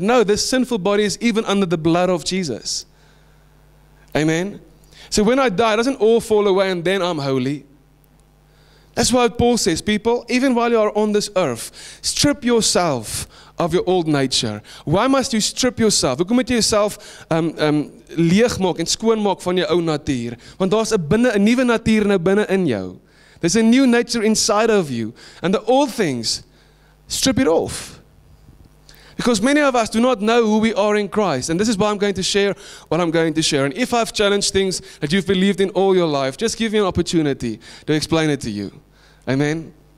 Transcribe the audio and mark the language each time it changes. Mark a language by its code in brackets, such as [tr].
[en] No, the sinful body is even under the blood of Jesus. Amen. So when I die, doesn't all fall away and then I'm holy? That's why Paul says, people, even while you are on this earth, strip yourself of your old nature. Why must you strip yourself? [af] Hoekom moet jy jouself leeg maak en skoon maak van jou ou natuur? Want daar's 'n nuwe natuur nou binne in jou. [en] There's a new nature inside of you. And the old things, strip it off. Because many of us do not know who we are in Christ. And this is why I'm going to share what I'm going to share. And if I've challenged things that you've believed in all your life, just give me an opportunity to explain it to you. Amen.